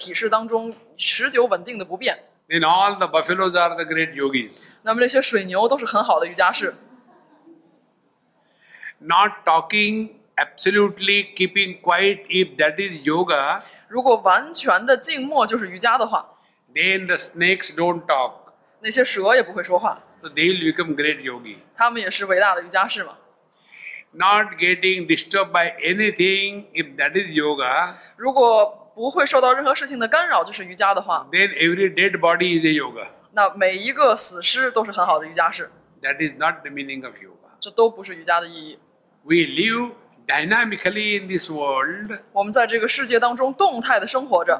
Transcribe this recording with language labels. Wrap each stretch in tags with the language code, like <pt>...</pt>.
<zh>如果我们错误的认为瑜伽就是坐在一个体式当中持久稳定的不变，</zh> <en>then all the buffaloes are the great yogis.</en> <zh>那么那些水牛都是很好的瑜伽士。</zh> <en>Not talking, absolutely keeping quiet, if that is yoga,</en> <zh>如果完全的静默就是瑜伽的话,</zh> <en>then the snakes don't talk.</en> <zh>那些蛇也不会说话,</zh> <en>so they'll become great yogi.</en> <zh>他们也是伟大的瑜伽士吗?</zh> <en>Not getting disturbed by anything, if that is yoga,</en> <zh>如果不会受到任何事情的干扰就是瑜伽的话,</zh> <en>then every dead body is a yoga.</en> <zh>那每一个死尸都是很好的瑜伽士。</zh> <en>That is not the meaning of yoga.</en> <zh>这都不是瑜伽的意义。</zh> <en>We live dynamically in this world,</en> <zh>我们在这个世界当中动态地生活着,</zh>